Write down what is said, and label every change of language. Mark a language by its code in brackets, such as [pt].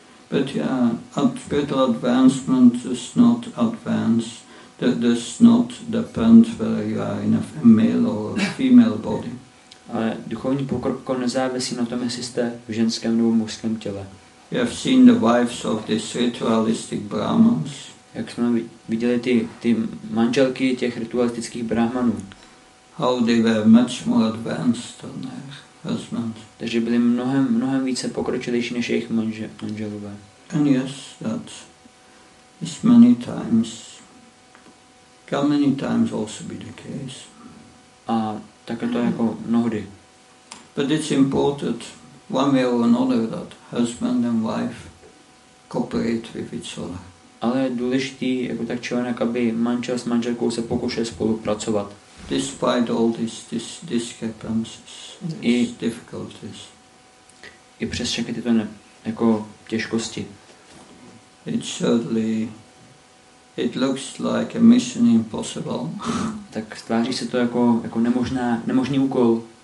[en] But yeah, a spiritual advancement does not advance, that does not depend whether you are in a male or a female body. [cs] Ale duchovní pokrok nezávisí na tom, jestli jste v ženském nebo mužském těle. [en] You have seen the wives of these ritualistic brahmans. [cs] Jak jsme viděli ty manželky těch ritualistických brahmanů. [en] How they were much more advanced than their husbands. [cs] Takže byli mnohem více pokročilejší než jejich manželové. [en] And yes, that is many times, can many times also be the case. [cs] A tak je to jako mnohdy. [en] But it's important one way or another that husband and wife cooperate with each other. [cs] Ale je důležitý jako tak člověk, aby manžel s manželkou se pokoušel spolupracovat. [en] Despite all these discrepancies, these difficulties. [cs] I přes všechny tyto jako těžkosti. [en] It looks like a mission impossible. [cs] Tak tváří se to jako nemožný úkol.